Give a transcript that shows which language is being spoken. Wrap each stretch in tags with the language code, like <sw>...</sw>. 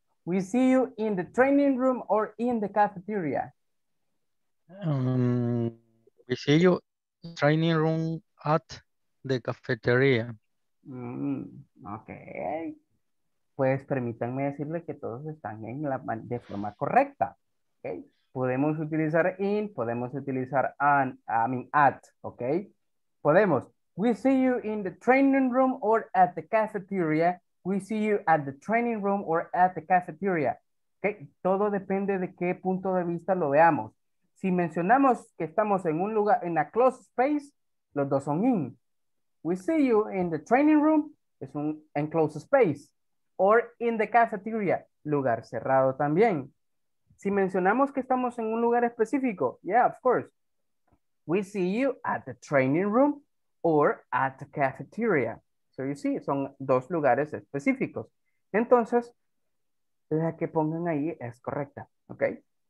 <en>We see you in the training room or in the cafeteria. We see you training room at the cafeteria. Ok.</en> <es>Pues permítanme decirle que todos están en la, de forma correcta. Okay. Podemos utilizar in, podemos utilizar an,</es> <en>I mean at,</en> <es>ok. Podemos.</es> <en>We see you in the training room or at the cafeteria. We see you at the training room or at the cafeteria. Ok.</en> <es>Todo depende de qué punto de vista lo veamos. Si mencionamos que estamos en un lugar, en</es> <en>a closed space,</en> <es>los dos son in.</es> <en>We see you in the training room,</en> <es>es un</es> <en>enclosed space. Or in the cafeteria,</en> <es>lugar cerrado también. Si mencionamos que estamos en un lugar específico,</es> <en>yeah, of course. We see you at the training room or at the cafeteria. So you see,</en> <es>son dos lugares específicos. Entonces, la que pongan ahí es correcta, ¿ok?</es>